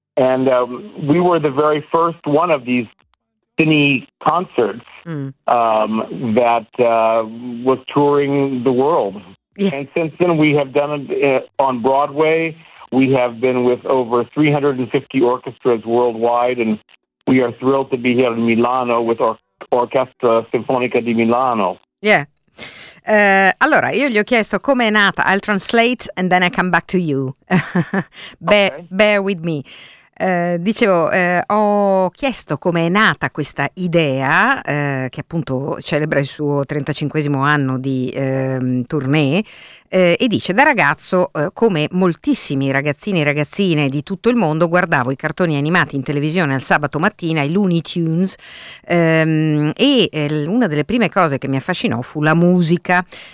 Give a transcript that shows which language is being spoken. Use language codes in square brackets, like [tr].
[en] And we were the very first one of these cine concerts that was touring the world. Yeah. And since then, we have done it on Broadway. We have been with over 350 orchestras worldwide, and we are thrilled to be here in Milano with Orchestra Sinfonica di Milano. Yeah. [it] Allora, io gli ho chiesto come è nata. [en] I'll translate and then I come back to you. Bear with me. [it] Dicevo, ho chiesto come è nata questa idea, che appunto celebra il suo 35esimo anno di tournée, e dice: da ragazzo, come moltissimi ragazzini e ragazzine di tutto il mondo, guardavo i cartoni animati in televisione al sabato mattina, i Looney Tunes, una delle prime cose che mi affascinò fu la musica.